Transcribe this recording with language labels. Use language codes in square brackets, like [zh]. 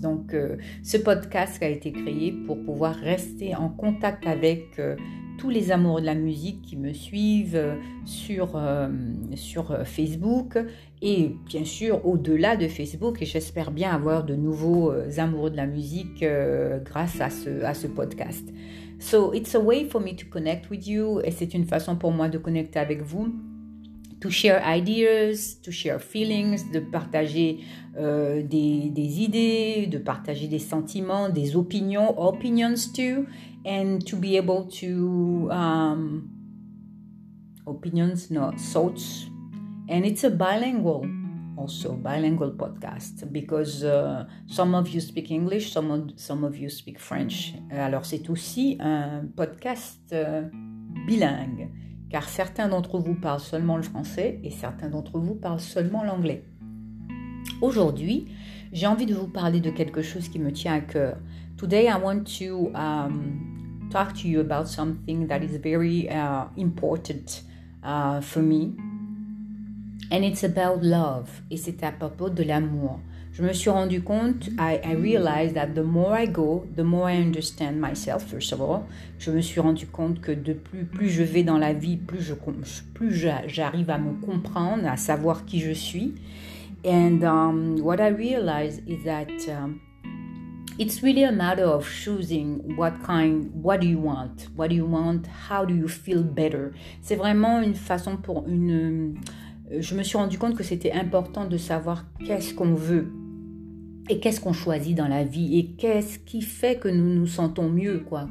[fr] Donc, ce podcast a été créé pour pouvoir rester en contact avec tous les amours de la musique qui me suivent sur Facebook et bien sûr au-delà de Facebook. Et j'espère bien avoir de nouveaux amoureux de la musique grâce à ce podcast. [en] So it's a way for me to connect with you. [fr] Et c'est une façon pour moi de connecter avec vous. [en] To share ideas, to share feelings, [fr] de partager des idées, de partager des sentiments, des opinions, [en] opinions too, and to be able to, opinions, not thoughts. And it's a bilingual, also bilingual podcast, because some of you speak English, some of you speak French. [fr] Alors c'est aussi un podcast bilingue. Car certains d'entre vous parlent seulement le français et certains d'entre vous parlent seulement l'anglais. Aujourd'hui, j'ai envie de vous parler de quelque chose qui me tient à cœur. [en] Today I want to talk to you about something that is very important for me. And it's about love. [fr] Et c'est à propos de l'amour. Je me suis rendu compte, [en] I realized that the more I go, the more I understand myself, first of all. [fr] Je me suis rendu compte que de plus je vais dans la vie, plus j'arrive à me comprendre, à savoir qui je suis. [en] And what I realized is that it's really a matter of choosing what do you want, how do you feel better. [fr] C'est vraiment une façon pour une... Je me suis rendu compte que c'était important de savoir qu'est-ce qu'on veut. Et qu'est-ce qu'on choisit dans la vie? Et qu'est-ce qui fait que nous nous sentons mieux, quoi?